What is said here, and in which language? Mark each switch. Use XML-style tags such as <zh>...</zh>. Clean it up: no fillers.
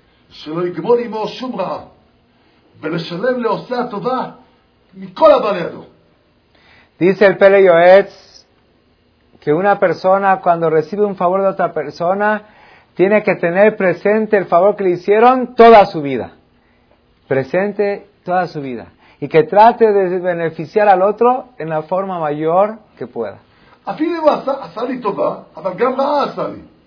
<he>שלא יגמול עמו שום רעה, ולשלם לעושה הטובה מכל הבא לידו.</he> <es>Dice el Pele Yoetz que una persona cuando recibe un favor de otra persona tiene que tener presente el favor que le hicieron toda su vida. Presente toda su vida. Y que trate de beneficiar al otro en la forma mayor que pueda.</es> <he>אפילו אם הוא עשה לי טובה, אבל גם רעה עשה לי.</he>